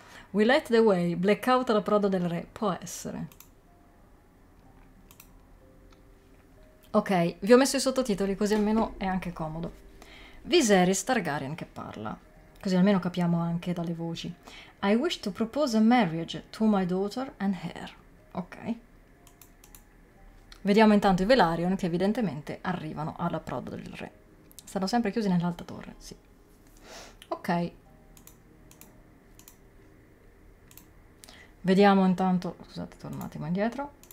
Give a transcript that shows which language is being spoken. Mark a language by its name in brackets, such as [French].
[English] We light the way, [Italian] blackout all'approdo del re, può essere. Ok, vi ho messo i sottotitoli così almeno è anche comodo. Viserys Targaryen che parla, così almeno capiamo anche dalle voci. [English] I wish to propose a marriage to my daughter and heir. [Italian] Ok. Vediamo intanto i Velaryon che evidentemente arrivano all'approdo del re. Stanno sempre chiusi nell'alta torre, sì. Ok. Vediamo intanto. Scusate, torno un attimo indietro.